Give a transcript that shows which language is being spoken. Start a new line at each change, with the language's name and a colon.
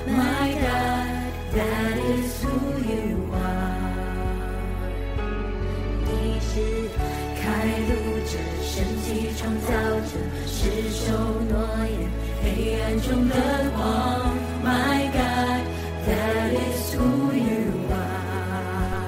English: My God, that is who you are.
Chinese: 你是开路者，神迹创造者，是守诺言，黑暗中的光。
English: My God, that is who you are.